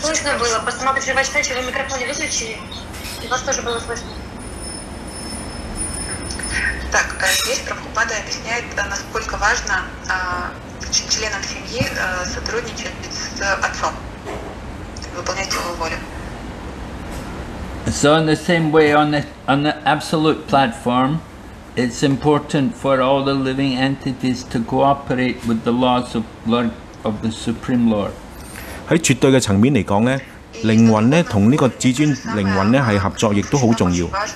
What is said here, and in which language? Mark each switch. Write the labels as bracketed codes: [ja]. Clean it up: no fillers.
[ru] Слышно было, посмотрите, ваш встреч, вы микрофон не выключили. И вас тоже было слышно. Так, здесь Прабхупада объясняет, насколько важно членам семьи сотрудничать с отцом, выполнять его волю. [en] So in the same way, on the absolute platform, it's important for all the living entities to cooperate with the laws of Lord of the Supreme Lord. [yue] 在绝对的层面来讲呢，灵魂呢同这个至尊灵魂呢是合作，亦都很重要。